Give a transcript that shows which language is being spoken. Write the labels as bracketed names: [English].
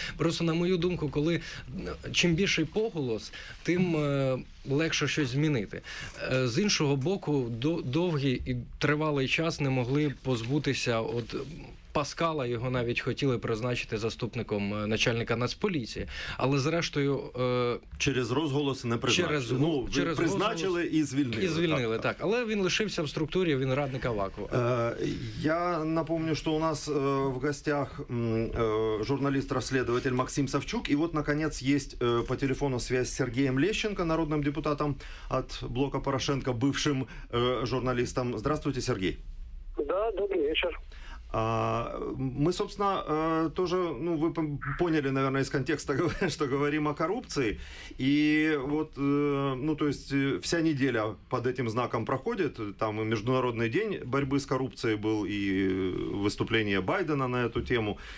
[Ukrainian] Просто, на мою думку, коли чим більший поголос, тим легше щось змінити. З іншого боку, довгий і тривалий час не могли позбутися от Паскала, його навіть хотіли призначити заступником начальника Нацполіції, але зрештою через розголоси не призначили. Через призначили розголос і звільнили. І звільнили, так. Але він лишився в структурі, він радник Авакова. Я напомню, що у нас в гостях журналіст-розслідувач Максим Савчук, і от наконець є по телефону зв'язь з Сергієм Лещенко, народним депутатом від блока Порошенка, бившим журналістом. [Russian] Здравствуйте, Сергій. [Ukrainian] Да, добрий вечір. [Russian] Мы, собственно, тоже, ну, вы поняли, наверное, из контекста, что говорим о коррупции. И вот, ну, то есть вся неделя под этим знаком проходит. Там и Международный день борьбы с коррупцией был, и выступление Байдена на эту тему.